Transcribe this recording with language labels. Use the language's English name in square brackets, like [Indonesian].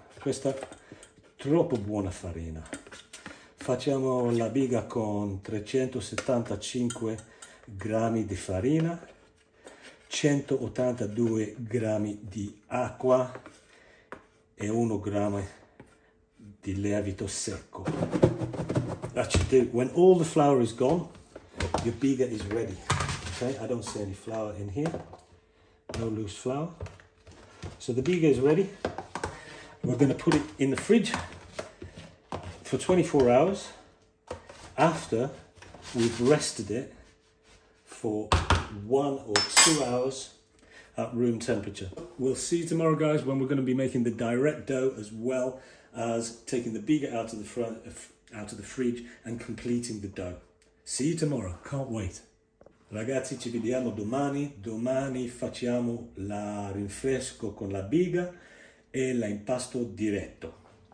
[Italian] Questa troppo buona farina. Facciamo la biga con 375 grammi di farina, 182 grammi di acqua e 1 grammo di lievito secco. [English] That should do. When all the flour is gone, your biga is ready. Okay, I don't see any flour in here. No loose flour. So the biga is ready. We're gonna put it in the fridge for 24 hours after we've rested it for 1 or 2 hours at room temperature. We'll see you tomorrow, guys, when we're gonna be making the direct dough as well as taking the biga out of the front, out of the fridge and completing the dough. See you tomorrow, can't wait. [Italian] Ragazzi, ci vediamo domani. Domani facciamo la rinfresco con la biga e l'impasto diretto.